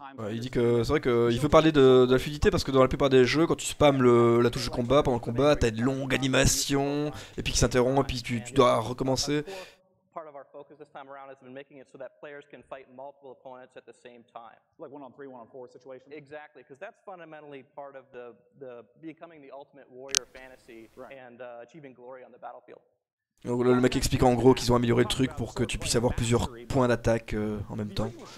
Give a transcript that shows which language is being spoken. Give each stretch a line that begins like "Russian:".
French: Il dit que c'est vrai qu'il veut parler de la fluidité parce que dans la plupart des jeux, quand tu spammes la touche de combat pendant le combat, t'as une longue animation et puis qui s'interrompt et puis tu dois recommencer.
English: Part of our focus this time around has been making it so that players can fight multiple opponents at the same time. Like one-on-three, one-on-four situation? Exactly, because that's fundamentally part of the becoming the ultimate warrior fantasy and achieving glory on the battlefield.
French: Donc le mec explique en gros qu'ils ont amélioré le truc pour que tu puisses avoir plusieurs points d'attaque en même temps.